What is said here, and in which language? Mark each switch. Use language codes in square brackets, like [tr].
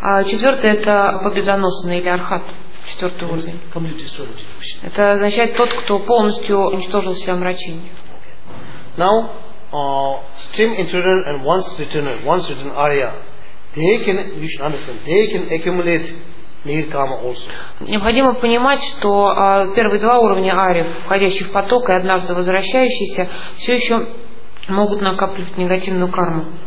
[ru] Четвертый это победоносный или архат. Четвертый уровень. Это означает тот, кто полностью уничтожил все омрачения. [en] Now, stream intruder and once return area, they can, you should understand, they can accumulate. [ru] Необходимо понимать, что первые два уровня ари, входящие в поток и однажды возвращающиеся, все еще могут накапливать негативную карму.